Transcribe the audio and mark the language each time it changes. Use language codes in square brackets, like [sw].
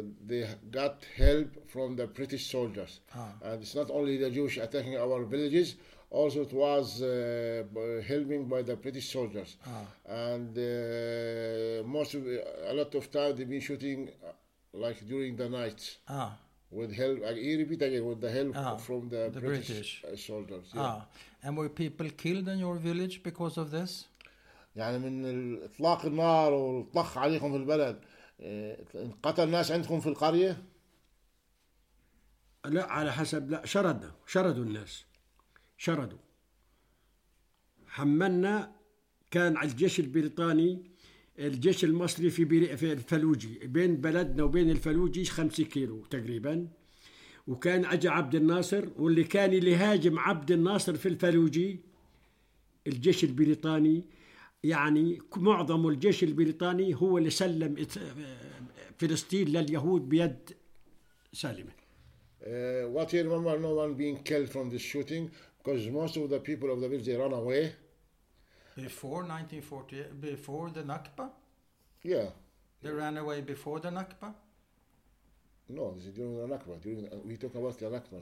[en] They got help from the British soldiers. And it's not only the Jewish attacking our villages, also it was helping by the British soldiers. And a lot of time they've been shooting like during the night. With help, he repeat again, with the help from the British soldiers. And were people killed in your village because of this? [ar] يعني من إطلاق النار والطخ عليكم في البلد قتل ناس عندكم في القرية؟ لا على حسب لا شردوا الناس شردوا حملنا كان على الجيش البريطاني الجيش المصري في الفلوجي بين بلدنا وبين الفلوجي 5 كيلو تقريبا. وكان أجا عبد الناصر واللي كان اللي هاجم عبد الناصر في الفلوجي الجيش البريطاني يعني معظم الجيش البريطاني هو اللي سلم فلسطين لليهود بيد سالمة. [en] What you remember, no one being killed from this shooting because most of the people of the village they ran away. Before the Nakba? Yeah. They ran away before the Nakba? No, this is during the Nakba. We talk about the Nakba.